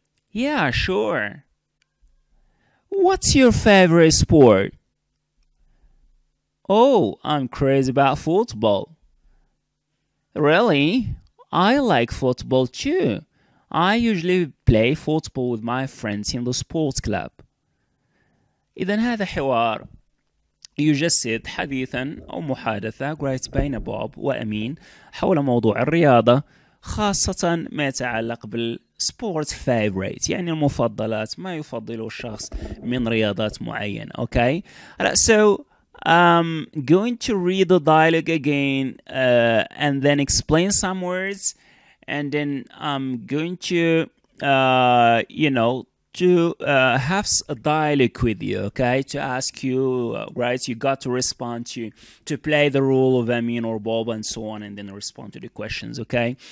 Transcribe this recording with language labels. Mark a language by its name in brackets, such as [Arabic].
[English] Yeah, sure. What's your favorite sport? Oh, I'm crazy about football. Really? I like football too. I usually play football with my friends in the sports club. [Arabic] إذن هذا حوار يجسد حديثا أو محادثة قرأت بين بوب وأمين حول موضوع الرياضة خاصة ما يتعلق بالسبورت فايبريت يعني المفضلات ما يفضله الشخص من رياضات معينة. [English] Okay. So I'm going to read the dialogue again and then explain some words and then I'm going to you know to have a dialogue with you, okay? To ask you, right? You got to respond to play the role of Amin or Bob and so on, and then respond to the questions, okay?